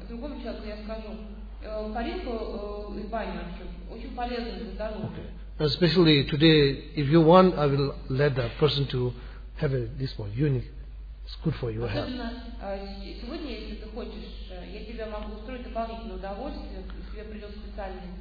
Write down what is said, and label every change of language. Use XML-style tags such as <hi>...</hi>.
<ru>Другому человеку я скажу, парилку и баню, очень полезно для здоровья.</ru> <en>Okay. Especially today, if you want, I will let that person to have this one, unique. It's good for your health.</en> <ru>Сегодня, если ты хочешь, я тебе могу устроить дополнительное удовольствие, если тебе придет специальный.</ru>